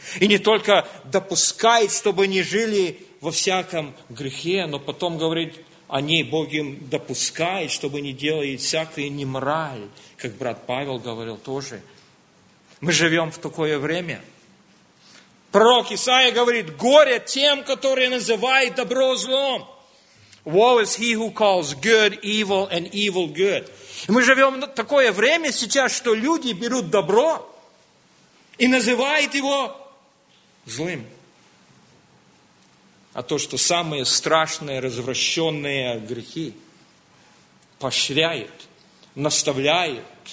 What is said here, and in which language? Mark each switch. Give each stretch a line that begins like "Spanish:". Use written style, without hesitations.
Russian: И не только допускает, чтобы они жили во всяком грехе, но потом говорит о ней: Бог им допускает, чтобы они делали всякую немораль, как брат Павел говорил тоже. Мы живем в такое время. Пророк Исаия говорит: горе тем, которые называют добро злом.
English: Woe is he who calls good evil and evil good.
Russian: Мы живем в такое время сейчас, что люди берут добро и называют его злым. А то, что самые страшные, развращенные грехи поощряют, наставляют.